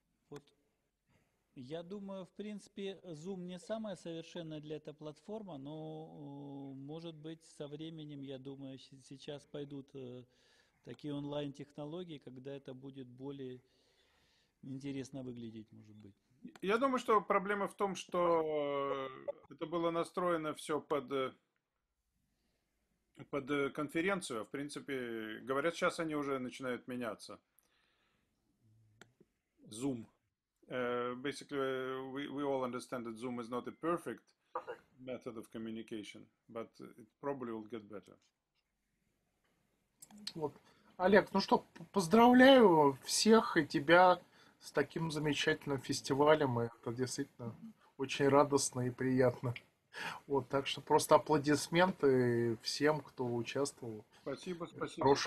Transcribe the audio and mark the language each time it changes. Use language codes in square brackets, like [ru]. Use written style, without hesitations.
[ru] Вот, я думаю, в принципе, Zoom не самая совершенная для этого платформа, но, может быть, со временем, я думаю, сейчас пойдут такие онлайн-технологии, когда это будет более интересно выглядеть, может быть. Я думаю, что проблема в том, что это было настроено все под конференцию, в принципе, говорят, сейчас они уже начинают меняться. Zoom. [en] Basically, we all understand that Zoom is not a perfect method of communication, but it probably will get better. [ru] Вот. Олег, ну что, поздравляю всех и тебя с таким замечательным фестивалем. Это действительно очень радостно и приятно. Вот, так что просто аплодисменты всем, кто участвовал. Спасибо, спасибо.